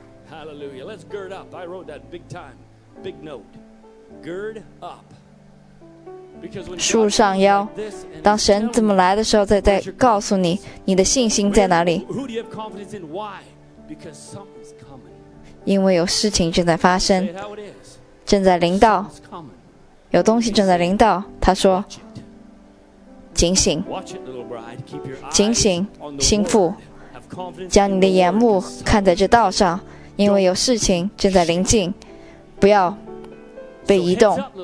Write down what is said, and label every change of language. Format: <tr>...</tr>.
<en>Hallelujah. Let's gird up. I wrote that big time, big note. Gird up. Because when</en> <zh>束上腰，当神这么来的时候，再告诉你，你的信心在哪里？</zh> <en>Who do you have confidence in? Why? Because something's coming.</en> <zh>因为有事情正在发生，正在临到，有东西正在临到。他说。警醒，警醒，心腹，将你的眼目看在这道上，因为有事情正在临近，不要被移动。</zh>